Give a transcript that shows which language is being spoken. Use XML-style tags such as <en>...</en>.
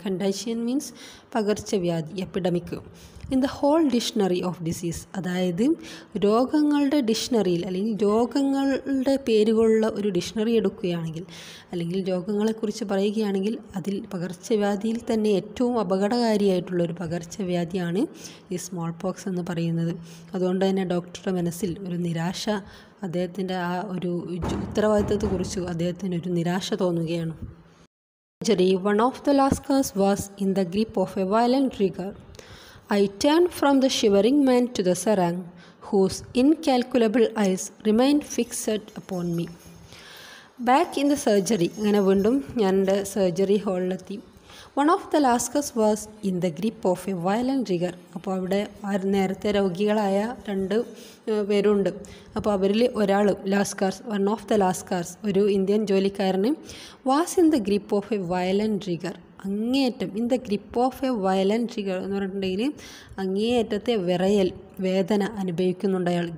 <ml>കണ്ടാഷ്യൻ means പകർച്ചവ്യാധി, epidemic.</ml> <en>in the whole dictionary of disease,</en> <ml>അതായത് രോഗങ്ങളുടെ ഡിക്ഷണറിയിൽ, അല്ലെങ്കിൽ രോഗങ്ങളുടെ പേരുകളുള്ള ഒരു ഡിക്ഷണറി എടുക്കുകയാണെങ്കിൽ, അല്ലെങ്കിൽ രോഗങ്ങളെക്കുറിച്ച് പറയുകയാണെങ്കിൽ, അതിൽ പകർച്ചവ്യാധിയിൽ തന്നെ ഏറ്റവും അപകടകാരിയായിട്ടുള്ളൊരു പകർച്ചവ്യാധിയാണ് ഈ സ്മോൾ പോക്സ് എന്ന് പറയുന്നത്. അതുകൊണ്ട് തന്നെ ഡോക്ടറുടെ മനസ്സിൽ ഒരു നിരാശ, അദ്ദേഹത്തിൻ്റെ ആ ഒരു ഉത്തരവാദിത്തത്തെ കുറിച്ച് അദ്ദേഹത്തിന് ഒരു നിരാശ തോന്നുകയാണ്.</ml> <en>Surgery, one of the lascars was in the grip of a violent rigor. I turned from the shivering man to the Serang, whose incalculable eyes remained fixed upon me. Back in the surgery,</en> <ml>ഇങ്ങനെ വീണ്ടും ഞാനെൻ്റെ surgery ഹാളിലെത്തി.</ml> <en>One of the Lascars was in the grip of a violent rigor.</en> <ml>അപ്പോൾ അവിടെ നേരത്തെ രോഗികളായ രണ്ട് പേരുണ്ട്. അപ്പോൾ അവരിൽ ഒരാൾ, ലാസ്കാർസ്, വൺ ഓഫ് ദ ലാസ്കാർസ്, ഒരു Indian ജോലിക്കാരന്,</ml> <en>was in the grip of a violent rigor,</en> <ml>അങ്ങേയറ്റം, in the grip of A violent rigger എന്ന് പറഞ്ഞിട്ടുണ്ടെങ്കിൽ അങ്ങേയറ്റത്തെ വിറയൽ, വേദന അനുഭവിക്കുന്നുണ്ട് അയാൾ.</ml>